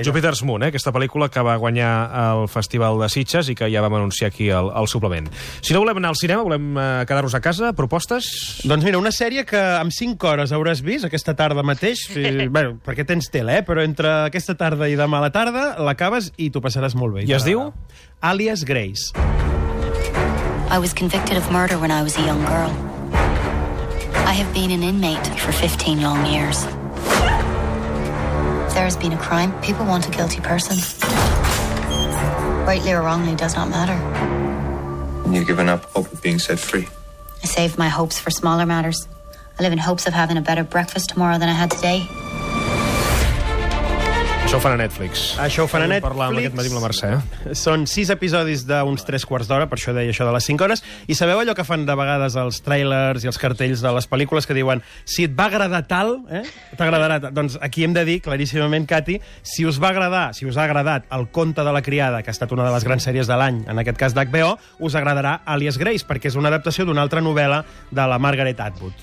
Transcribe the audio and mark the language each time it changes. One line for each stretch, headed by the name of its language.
Catalan: Jupiter's Moon, aquesta pel·lícula que va guanyar el Festival de Sitges i que ja vam anunciar aquí al suplement. Si no volem anar al cinema, volem quedar-nos a casa, propostes? Doncs mira, una sèrie que en 5 hores hauràs vist aquesta tarda mateix, i, bueno, perquè tens tele, però entre aquesta tarda i demà a la tarda l'acabes i t'ho passaràs molt bé. I es diu? Alias Grace.
English: I was convicted of murder when I was a young girl. I have been an inmate for 15 long years. There has been a crime. People want a guilty person. Rightly or wrongly does not matter. You've given up hope of being set free. I saved my hopes for smaller matters. I live in hopes of having a better breakfast tomorrow than I had today.
Catalan: Això ho fan a Netflix. Això ho fan a Netflix. Vam parlar aquest matí amb la Mercè. Són 6 episodis d'uns 3 quarts d'hora, per això deia això de les 5 hores. I sabeu allò que fan de vegades els trailers i els cartells de les pel·lícules que diuen si et va agradar tal, t'agradarà tal. Doncs aquí hem de dir claríssimament, Cati, si us va agradar, si us ha agradat El conte de la criada, que ha estat una de les grans sèries de l'any, en aquest cas d'HBO, us agradarà Alias Grace, perquè és una adaptació d'una altra novel·la de la Margaret Atwood.